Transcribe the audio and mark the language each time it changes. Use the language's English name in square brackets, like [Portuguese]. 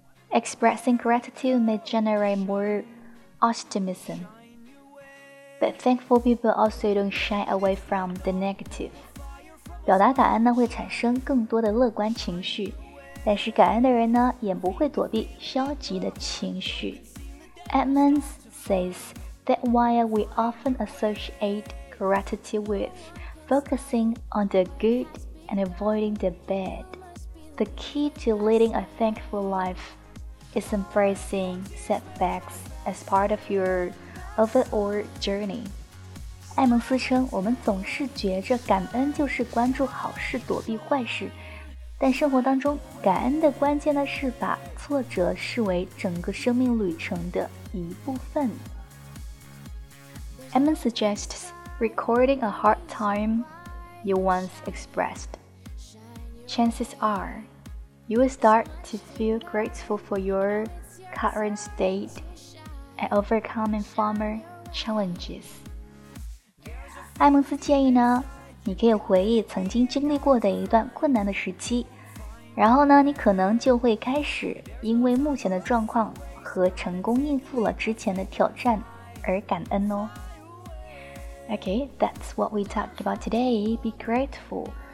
[English] Expressing gratitude may generate more optimism, but thankful people also don't shy away from the negative. [Chinese] 表达感恩呢会产生更多的乐观情绪，但是感恩的人呢也不会躲避消极的情绪。 [English] Edmonds says that while we often associate gratitude with focusing on the good and avoiding the bad, the key to leading a thankful life is embracing setbacks as part of your overall journey. [Chinese] 艾蒙斯称，我们总是觉着感恩就是关注好事躲避坏事，但生活当中感恩的关键呢是把挫折视为整个生命旅程的一部分。 [English] Emmons suggests recording a hard time you once expressed. Chances are, you will start to feel grateful for your current state and overcoming former challenges. [Chinese] 艾蒙斯建议呢，你可以回忆曾经经历过的一段困难的时期，然后呢，你可能就会开始因为目前的状况和成功应付了之前的挑战而感恩哦。 [English] Okay, that's what we talked about today. Be grateful.